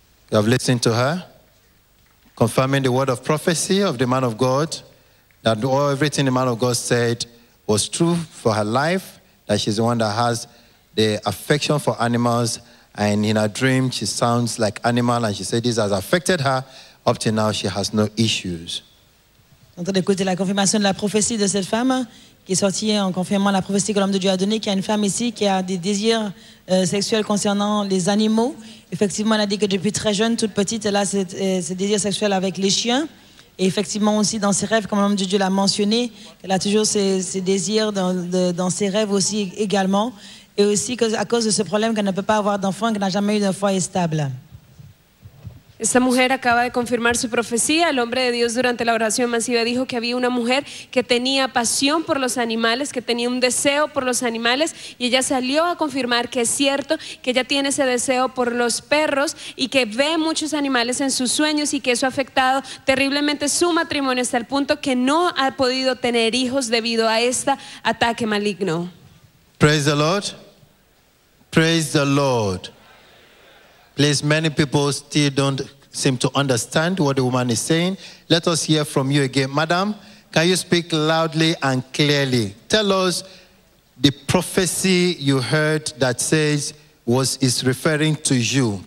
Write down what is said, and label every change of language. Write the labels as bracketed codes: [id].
[en] You have listened to her, confirming the word of prophecy of the man of God, that all everything the man of God said was true for her life, that she's the one that has the affection for animals, and in her dream she sounds like animal, and she said this has affected her. Up to now she has no issues. [fr] En train d'écouter la confirmation de la prophétie de cette femme qui qui est sorti en confirmant la prophétie que l'homme de Dieu a donnée, qu'il y a une femme ici qui a des désirs sexuels concernant les animaux. Effectivement, elle a dit que depuis très jeune, toute petite, elle a ses désirs sexuels avec les chiens. Et effectivement aussi dans ses rêves, comme l'homme de Dieu l'a mentionné, elle a toujours ses désirs dans ses rêves aussi également. Et aussi à cause de ce problème qu'elle ne peut pas avoir d'enfant, qu'elle n'a jamais eu de foi stable. [es] Esta mujer acaba de confirmar su profecía. El hombre de Dios durante la oración masiva dijo que había una mujer que tenía pasión por los animales, que tenía un deseo por los animales, y ella salió a confirmar que es cierto, que ella tiene ese deseo por los perros y que ve muchos animales en sus sueños y que eso ha afectado terriblemente su matrimonio hasta el punto que no ha podido tener hijos debido a este ataque maligno. [en] Praise the Lord. Praise the Lord. Please, many people still don't seem to understand what the woman is saying. Let us hear from you again. Madam, can you speak loudly and clearly? Tell us the prophecy you heard that says is referring to you.